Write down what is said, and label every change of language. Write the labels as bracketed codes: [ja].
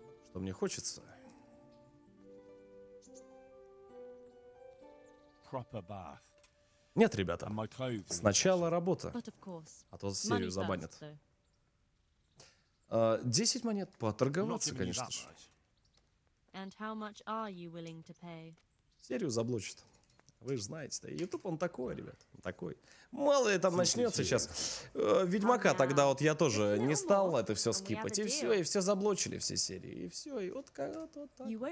[ru] Что мне хочется? [en] Proper bath. [ru] Нет, ребята, сначала работа, а то серию забанят. 10 монет, поторговаться, конечно же. [en] And how much are you willing to pay? [ru] Серию заблочат. Вы же знаете, да, YouTube он такой, ребят, он такой. Мало ли там начнется сейчас. Ведьмака тогда вот я тоже не стал это все скипать. И все заблочили, все серии. И все, и вот как-то так.